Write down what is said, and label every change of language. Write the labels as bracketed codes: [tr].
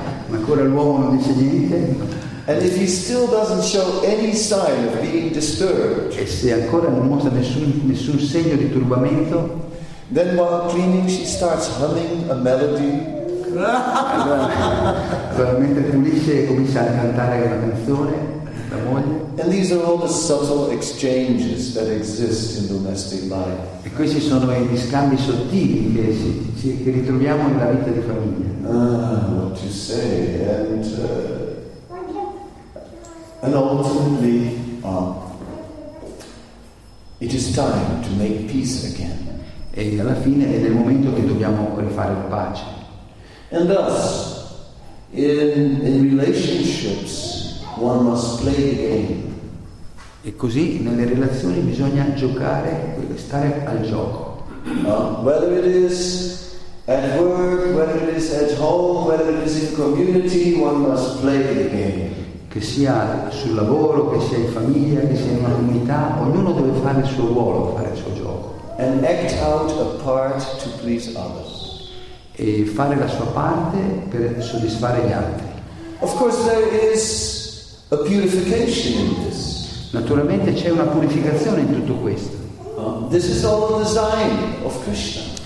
[it] Ancora l'uomo non dice niente. [en] And if he still doesn't show any sign of being disturbed. [it] E se ancora non mostra nessun segno di turbamento. [en] Then while cleaning she starts humming a melody. [it] Mentre pulisce comincia a cantare una canzone. [en] And these are all the subtle exchanges that exist in domestic life. [it] E questi sono gli scambi sottili che ritroviamo nella vita di famiglia. [en] What to say? And ultimately, it is time to make peace again. [it] E alla fine è il momento che dobbiamo rifare la pace. [en] And thus, in relationships. One must play the game. [it] E così nelle relazioni bisogna giocare, stare al gioco. [en] Whether it is at work, whether it is at home, whether it is in community, one must play the game. [it] Che sia sul lavoro, che sia in famiglia, che sia in una comunità, ognuno deve fare il suo ruolo, fare il suo gioco. [en] And act out a part to please others. [it] E fare la sua parte per soddisfare gli altri. [en] Of course there is a purification in this. [it] Naturalmente c'è una purificazione in tutto questo. [en] This is all the design of Krishna.